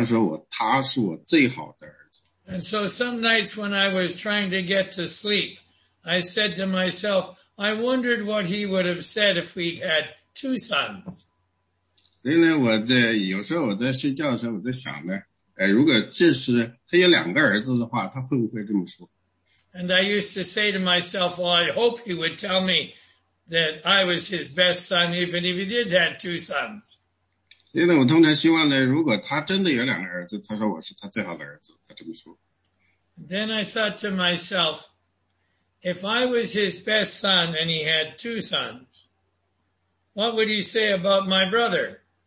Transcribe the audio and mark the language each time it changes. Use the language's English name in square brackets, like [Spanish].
[Chinese] 因为我记得呢，通常呢，我就很高兴。但是呢，我爸爸通常没有跟人家说我是他唯一的儿子，他通常说我他是我最好的儿子。 [English] And so some nights when I was trying to get to sleep, I said to myself, I wondered what he would have said if we'd had two sons. [Chinese] 所以呢，我在有时候我在睡觉的时候，我在想呢，如果这是他有两个儿子的话，他会不会这么说？ [English] And I used to say to myself, well, I hope he would tell me that I was his best son, even if he did have two sons. [Chinese] 因为呢，我通常希望呢，如果他真的有两个儿子，他说我是他最好的儿子，他这么说。 [English] Then I thought to myself, if I was his best son and he had two sons, what would he say about my brother?